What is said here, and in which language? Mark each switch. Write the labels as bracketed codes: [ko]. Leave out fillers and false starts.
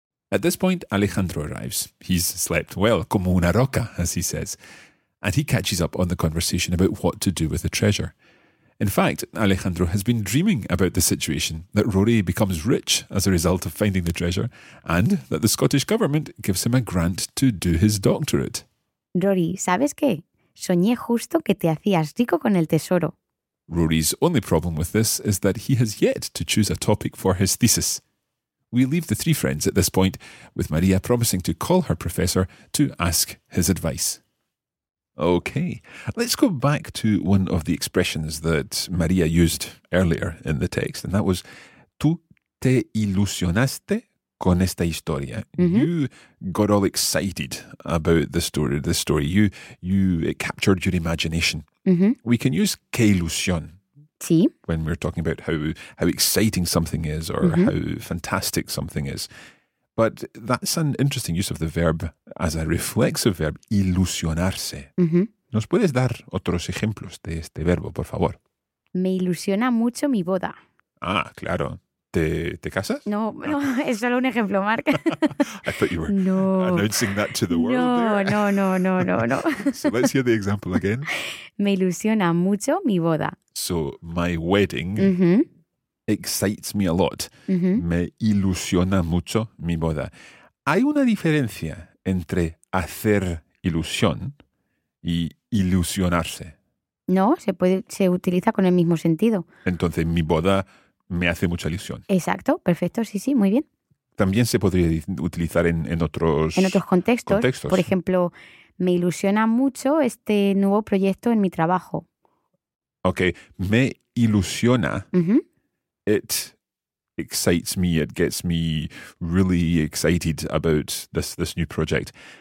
[en] At this point, Alejandro arrives. He's slept well, [es] como una roca, [en] as he says, and he catches up on the conversation about what to do with the treasure. In fact, Alejandro has been dreaming about the situation, that Rory becomes rich as a result of finding the treasure, and that the Scottish government gives him a grant to do his doctorate. [es] Rory, ¿sabes qué? Soñé justo que te hacías rico con el tesoro. [en] Rory's only problem with this is that he has yet to choose a topic for his thesis. We leave the three friends at this point, with Maria promising to call her professor to ask his advice. Okay, let's go back to one of the expressions that Maria used earlier in the text, and that was, [es] tú te ilusionaste con esta historia. Mm-hmm. [en] You got all excited about the story. It captured your imagination. Mm-hmm. We can use [es] que ilusión. Sí. [en] When we're talking about how exciting something is, or mm-hmm. how fantastic something is. But that's an interesting use of the verb as a reflexive verb, ilusionarse. Mm-hmm. [es] ¿Nos puedes dar otros ejemplos de este verbo, por favor? Me ilusiona mucho mi boda. Ah, claro. ¿Te casas? No, no, es solo un ejemplo, Mark. [en] I thought you were no. announcing that to the world. No. So let's hear the example again. [es] Me ilusiona mucho mi boda. [en] So my wedding excites me a lot. [es] Me ilusiona mucho mi boda. Hay una diferencia entre hacer ilusión y ilusionarse. No, se utiliza con el mismo sentido. Entonces, mi boda me hace mucha ilusión. Exacto, perfecto, sí, muy bien. También se podría utilizar en otros contextos. Por ejemplo, me ilusiona mucho este nuevo proyecto en mi trabajo. Ok, me ilusiona. [en] It excites me, it gets me really excited about this new project.